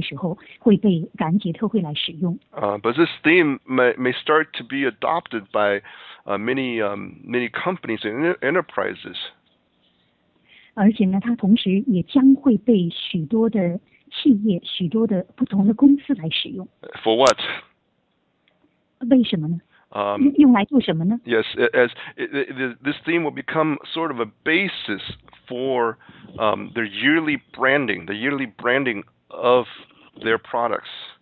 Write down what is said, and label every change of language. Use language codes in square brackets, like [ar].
[zh] 那因为这个主题不仅是在年底的时候会被感恩节特会来使用。 [en] But this theme may start to be adopted by many companies and enterprises. [zh] 而且呢，它同时也将会被许多的企业、许多的不同的公司来使用。 [en] For what? [zh] 为什么呢？用来做什么呢？ [en] Yes, this theme will become sort of a basis for their yearly branding, the yearly branding of their products.